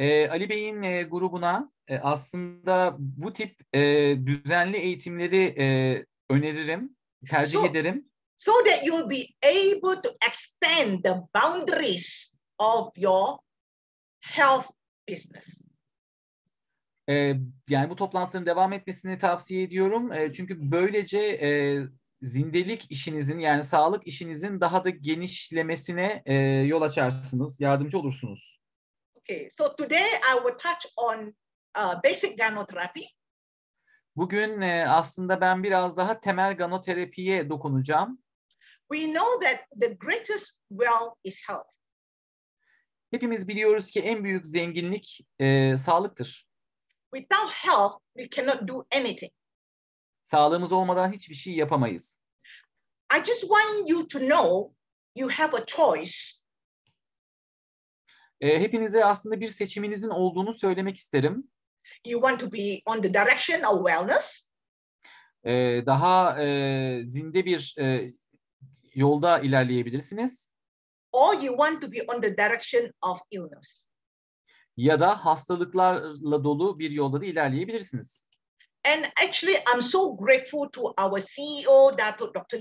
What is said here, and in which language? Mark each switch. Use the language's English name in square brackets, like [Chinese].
[Turkish] Ali Bey'in grubuna aslında bu tip düzenli eğitimleri öneririm, tercih ederim. [English] So that you'll be able to extend the boundaries of your health business. [Turkish] Yani bu toplantının devam etmesini tavsiye ediyorum. Çünkü böylece zindelik işinizin, yani sağlık işinizin daha da genişlemesine yol açarsınız, yardımcı olursunuz. [English] Okay, so today I will touch on basic gynotherapy. [Turkish] Bugün aslında ben biraz daha temel ganoterapiye dokunacağım. [English] We know that the greatest wealth is health. [Turkish] Hepimiz biliyoruz ki en büyük zenginlik sağlıktır. [English] Without health, we cannot do anything. [Turkish] Sağlığımız olmadan hiçbir şey yapamayız. [English] I just want you to know you have a choice. [Turkish] Hepinize aslında bir seçiminizin olduğunu söylemek isterim. [English] You want to be on the direction of wellness? [Turkish] daha zinde bir yolda ilerleyebilirsiniz. [English] Or you want to be on the direction of illness. [Turkish] Ya da hastalıklarla dolu bir yolda da ilerleyebilirsiniz. [English] And actually I'm so grateful to our CEO Dr.